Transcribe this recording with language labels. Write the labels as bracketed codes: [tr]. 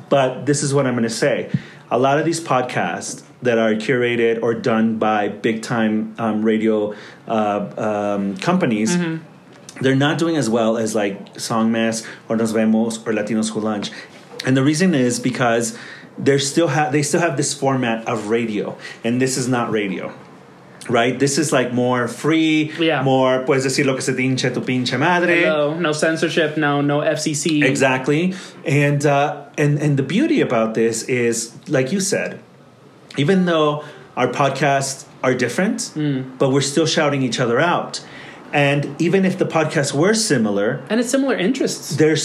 [en] But this is what I'm going to say. A lot of these podcasts that are curated or done by big time radio companies, mm-hmm. they're not doing as well as like Song Mess or Nos Vemos or Latinos Who Lunch. And the reason is because they still have this format of radio, and this is not radio. Right? This is like more free, yeah. [es] More puedes decir lo que se te hinche tu pinche madre. [en] Hello. No censorship, no FCC. Exactly. And the beauty about this is, like you said, even though our podcasts are different, but we're still shouting each other out. And even if the podcasts were similar, and it's similar interests,